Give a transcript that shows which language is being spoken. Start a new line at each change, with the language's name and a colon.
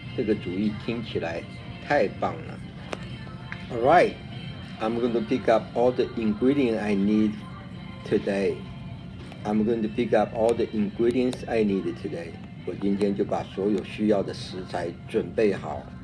Chinese: 这个主意听起来太棒了。
English: All right， I'm going to pick up all the ingredients I need today. I'm going to pick up all the ingredients I need today.
Chinese: 我今天就把所有需要的食材准备好。